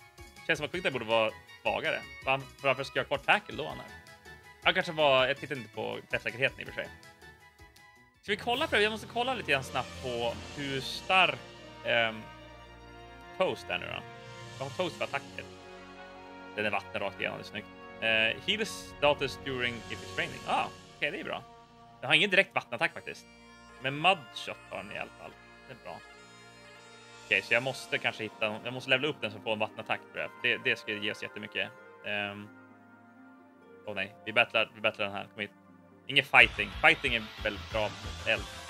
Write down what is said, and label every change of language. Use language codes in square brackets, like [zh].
[sv] Det känns som att Quick Attack borde vara svagare. Varför ska jag ha kvar Tackle då annars? Jag tittar inte på träffsäkerheten i och för sig. Ska vi kolla för det? Jag måste kolla lite grann snabbt på hur stark Toast är nu då. Jag har Toast för attacken. Den är vatten rakt igenom, det är snyggt. [en] Heal status during if it's raining. [sv] Ah, okej, okay, det är bra. Den har ingen direkt vattenattack faktiskt. Men Mudshot har den i alla fall. Det är bra. Okej, okay, så jag måste kanske hitta... Jag måste levela upp den så att få en vattenattack. Det ska ge oss jättemycket. Oh nej, vi battlar den här. Kom hit. Ingen fighting. Fighting är väldigt bra mot eld.